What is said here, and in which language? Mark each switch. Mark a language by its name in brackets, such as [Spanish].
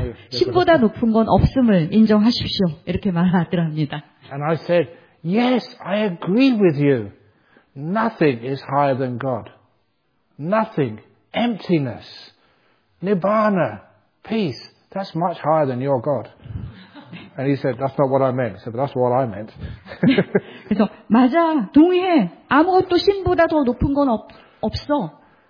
[Korean] 신보다 높은 건 없음을 인정하십시오. 이렇게 말하더랍니다. [English] And I said, yes, I agree with you. Nothing is higher than God. Nothing. Emptiness. Nibbana. Peace. That's much higher than your God. And he said, that's not what I meant. He said, but that's what I meant. [Korean] 그래서, 맞아, 동의해. 아무것도 신보다 더 높은 건 없어.